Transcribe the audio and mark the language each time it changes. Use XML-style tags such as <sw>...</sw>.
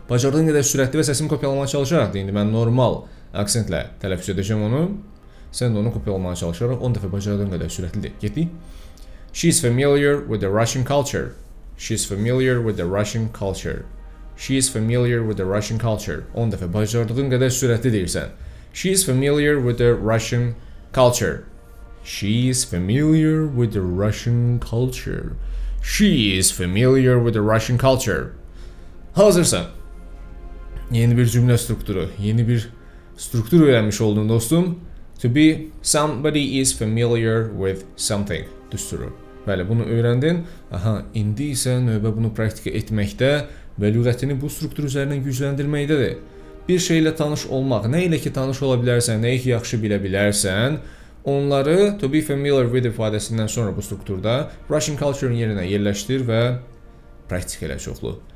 <az>Bacardığın qədər sürətli və səsimi kopyalamağa çalışaraq deyindir. Mən normal aksentlə tələffüz edəcəm onu. Sən də onu kopyalamağa çalışaraq 10 dəfə bacardığın qədər sürətlidir. Getdik.</az> <en>She is familiar with the Russian culture. She is familiar with the Russian culture. She is familiar with the Russian culture.</en> <az>10 dəfə bacardığın qədər sürətli deyirsən.</az> <en>She is familiar with the Russian culture. She is familiar with the Russian culture. She is familiar with the Russian culture.</en> <az>Hazırsan? Yeni bir cümlə strukturu, yeni bir struktur öyrənmiş oldun dostum.</az> <en>To be somebody is familiar with something.</en> <az>Düsturu. Bəli, bunu öyrəndin. Aha, indi isə növbə bunu praktika etməkdə və lüğətini bu struktur üzərindən gücləndirməkdədir. Bir şeylə tanış olmaq, nə ilə ki tanış ola bilərsən, nə ilə ki yaxşı bilə bilərsən, onları</az> <en>to be familiar with</en> <az>ifadəsindən sonra bu strukturda Russian culture-in yerinə yerləşdir və praktika elə çoxlu.</az>